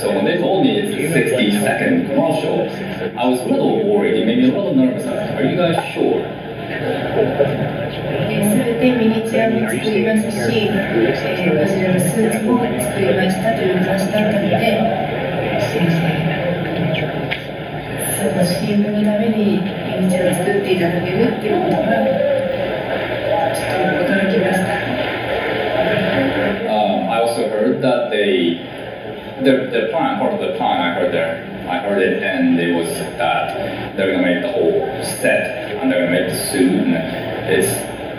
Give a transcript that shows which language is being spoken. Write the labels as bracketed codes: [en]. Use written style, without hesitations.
[en] So when they told me it's a 60 second commercial, I was a little worried, it made me a little nervous. Are you guys sure? [ja] 全てミニチュアも作りますし、ゴジラのスーツも作りましたという話だったので、その CM のためにミニチュアを作ってていただけるっていうのはちょっと驚きました。 [en] I also heard that the plan, part of the plan, I heard it, and it was that they're gonna make the whole set and they're gonna make the suit.